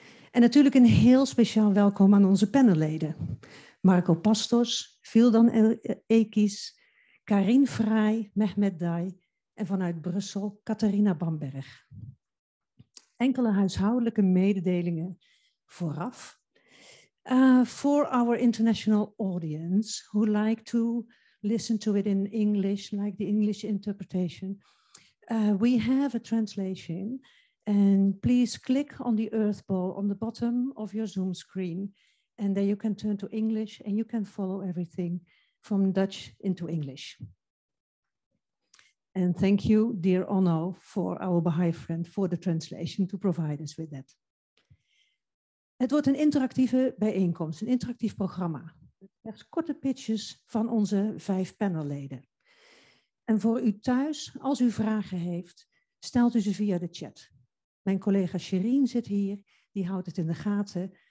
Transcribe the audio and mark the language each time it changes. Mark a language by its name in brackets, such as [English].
[Dutch] En natuurlijk een heel speciaal welkom aan onze panelleden. Marco Pastors, Vildan Ekis, Karin Fraai, Mehmet Dai en vanuit Brussel Catharina Bamberg. Enkele huishoudelijke mededelingen vooraf. [English] For our international audience who like to listen to it in English, like the English interpretation, we have a translation, and please click on the earth ball on the bottom of your Zoom screen, and then you can turn to English and you can follow everything from Dutch into English. And thank you, dear Onno, for our Baha'i friend, for the translation to provide us with that. [Dutch] Het wordt een interactieve bijeenkomst, een interactief programma. Slechts korte pitches van onze 5 panelleden. En voor u thuis, als u vragen heeft, stelt u ze via de chat. Mijn collega Shireen zit hier, die houdt het in de gaten.